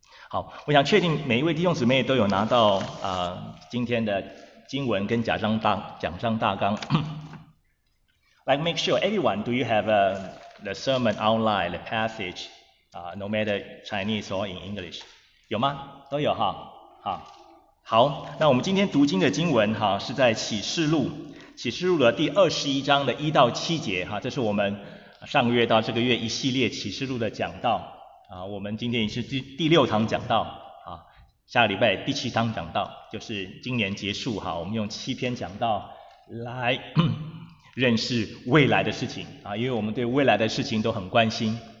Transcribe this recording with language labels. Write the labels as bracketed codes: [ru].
[zh] 好，我想确定每一位弟兄姊妹都有拿到今天的经文跟讲章大纲。 [en] Like make sure everyone, do you have the sermon outline, the passage, no matter Chinese or in English? [zh] 有吗？都有哈。好，那我们今天读经的经文哈是在启示录的第21章的1到7节哈，这是我们上个月到这个月一系列启示录的讲道。我们今天是第六堂讲道，下个礼拜第7堂讲道，就是今年结束哈，我们用7篇讲道来认识未来的事情啊，因为我们对未来的事情都很关心。